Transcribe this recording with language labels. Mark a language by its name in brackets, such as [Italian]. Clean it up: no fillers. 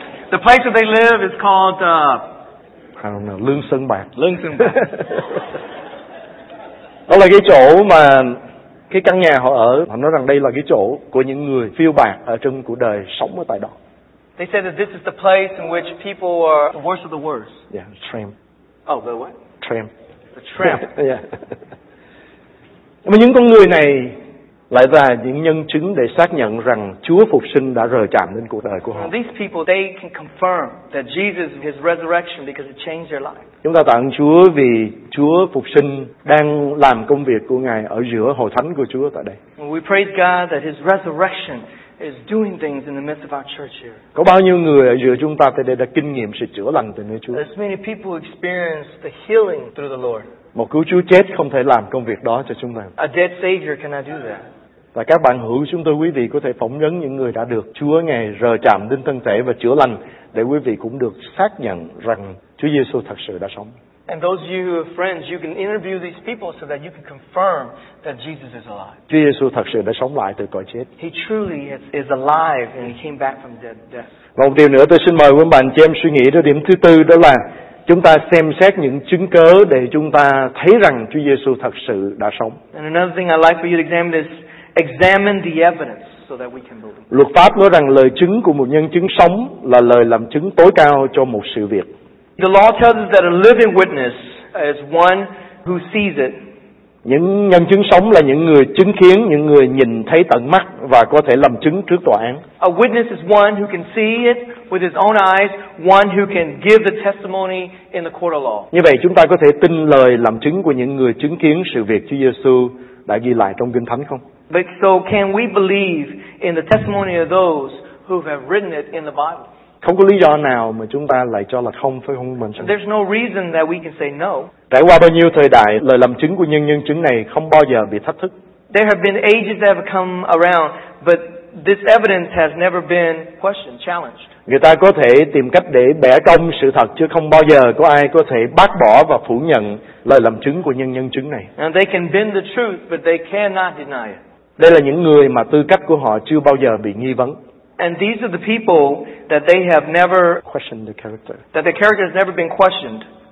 [English] The place that they live is called [Vietnamese] lương sơn bạc. Lương sơn bạc. Đó là cái chỗ mà cái căn nhà họ ở, họ nói rằng đây là cái chỗ của những người phiêu bạc ở trong cuộc đời sống ở tại đó. [English] They said that this is the place in which people are the worst of the worst. Yeah, tramp. Oh, the what? Tramp. The tramp. Yeah. [Vietnamese] Nhưng mà những con người này lại là những nhân chứng để xác nhận rằng Chúa phục sinh đã rời chạm đến cuộc đời của họ. [English] These people, they can confirm that Jesus, his resurrection, because it changed their life. [Vietnamese] Chúng ta tạ ơn Chúa vì Chúa phục sinh đang làm công việc của Ngài ở giữa hội thánh của Chúa tại đây. [English] We praise God that his resurrection is doing things in the midst of our church here. [Vietnamese] Có bao nhiêu người ở giữa chúng ta tại đây đã kinh nghiệm sự chữa lành từ nơi Chúa? [English] As many people experience the healing through the Lord. [Vietnamese] Một cứu Chúa chết không thể làm công việc đó cho chúng ta. [English] A dead savior cannot do that. [Vietnamese] Và các bạn hữu chúng tôi, quý vị có thể phỏng vấn những người đã được Chúa Ngài rời chạm đến thân thể và chữa lành để quý vị cũng được xác nhận rằng Chúa Giêsu thật sự đã sống. [English] And those of you who are friends, you can interview these people so that you can confirm that Jesus is alive. [Vietnamese] Chúa Giêsu thật sự đã sống lại từ cõi chết. [English] He truly is alive and he came back from death. [Vietnamese] Và một điều nữa tôi xin mời quý bạn cho em suy nghĩ đến điểm thứ tư, đó là chúng ta xem xét những chứng cớ để chúng ta thấy rằng Chúa Giêsu thật sự đã sống. [English] And another thing I'd like for you to examine is examine the evidence so that we can believe. [Vietnamese] Luật pháp nói rằng lời chứng của một nhân chứng sống là lời làm chứng tối cao cho một sự việc. [English] The law tells us that a living witness is one who sees it. [Vietnamese] Những nhân chứng sống là những người chứng kiến, những người nhìn thấy tận mắt và có thể làm chứng trước tòa án. [English] A witness is one who can see it with his own eyes, one who can give the testimony in the court of law. [Vietnamese] Như vậy chúng ta có thể tin lời làm chứng của những người chứng kiến sự việc Chúa Giêsu đã ghi lại trong Kinh Thánh không? [English] But so can we believe in the testimony of those who have written it in the Bible? [Vietnamese] Không có lý do nào mà chúng ta lại cho là không, phải không mình? [English] There's no reason that we can say no. [Vietnamese] Trải qua bao nhiêu thời đại, lời làm chứng của nhân nhân chứng này không bao giờ bị thách thức. [English] There have been ages that have come around, but this evidence has never been questioned, challenged. [Vietnamese] Người ta có thể tìm cách để bẻ cong sự thật, chứ không bao giờ có ai có thể bác bỏ và phủ nhận lời làm chứng của nhân nhân chứng này. [English] And they can bend the truth, but they cannot deny it. [Vietnamese] Đây là những người mà tư cách của họ chưa bao giờ bị nghi vấn. [English] And these are the people that they have never questioned the character. That the character has never been questioned.